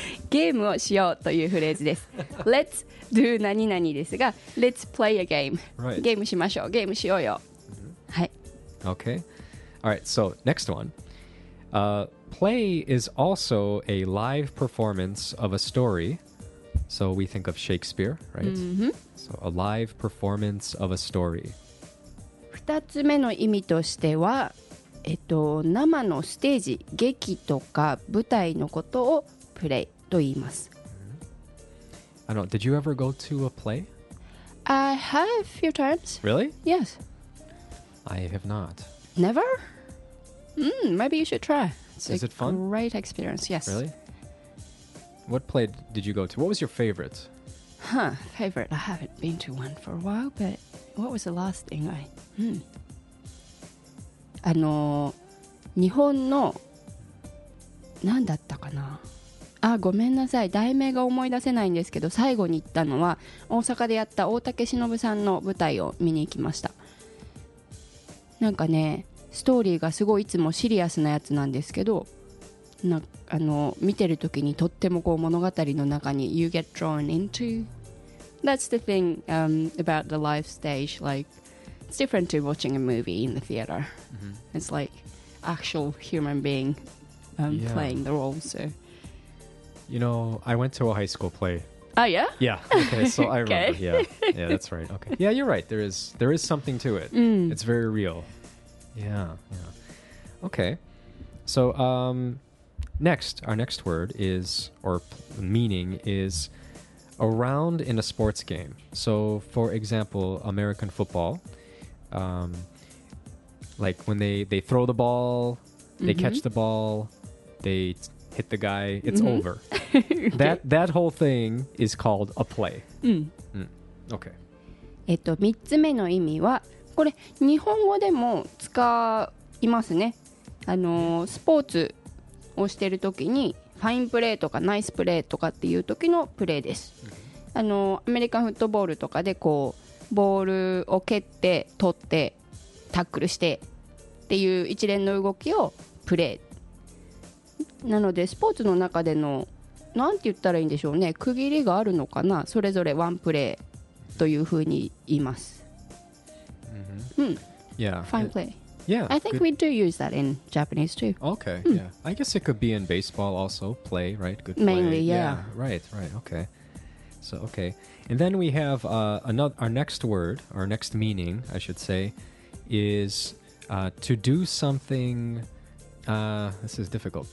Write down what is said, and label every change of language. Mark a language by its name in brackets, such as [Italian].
[Japanese] ゲームをしようというフレーズです。 [English] Let's do [Japanese] 何々ですが、 [English] Let's play a game.、 Right. [Japanese] ゲームしましょう。ゲームしようよ。Mm-hmm. はい。 [English] Okay. All right. So next one.、play is also a live performance of a story. So we think of Shakespeare, right?、 Mm-hmm. So a live performance of a story. [Japanese] 二つ目の意味としては、生のステージ、劇とか舞台のことをプレイと言います。 [English] I don't know. Did you ever go to a play? I have a few times. Really? Yes. I have not. Never? Maybe you should try. Is it fun? Great experience, yes. Really? What play did you go to? What was your favorite? Favorite? I haven't been to one for a while, but what was the last thing I... Hmm. [Japanese] 日本の何だったかな? ごめんなさい題名が思い出せないんですけど最後に行ったのは大阪でやった大竹しのぶさんの舞台を見に行きましたなんかねストーリーがすごいいつもシリアスなやつなんですけどな見てる時にとってもこう物語の中に [English] You get drawn into That's the thing、about the live stage like it's different to watching a movie in the theater、mm-hmm. It's like actual human being、yeah. playing the role so You know, I went to a high school play. Oh, yeah? Yeah. Okay, so I remember. Okay. Yeah, that's right. Okay. Yeah, you're right. There is something to it. Mm. It's very real. Yeah. Yeah. Okay. So, our meaning is around in a sports game. So, for example, American football, like when they throw the ball, they mm-hmm. catch the ball, they hit the guy, it's mm-hmm. over. Okay. That whole thing is called a play. うん。うん。Okay. [Japanese] 三つ目の意味は、これ日本語でも使いますね。スポーツをしてるときに、ファインプレーとかナイスプレーとかっていう時のプレーです。アメリカンフットボールとかでこうボールを蹴って取ってタックルしてっていう一連の動きをプレー。なのでスポーツの中でのなんて言ったらいいんでしょうね区切りがあるのかなそれぞれワンプレーというふうに言います。 [English] Mm-hmm. Mm. Yeah. Fine play. Yeah. I think、good. We do use that in Japanese too. Okay.、Mm. Yeah. I guess it could be in baseball also. Play, right? Good play. Mainly, yeah. Yeah. Right, right. Okay. So, okay. And then we have、another, our next word, our next meaning, I should say, is、to do something...、this is difficult.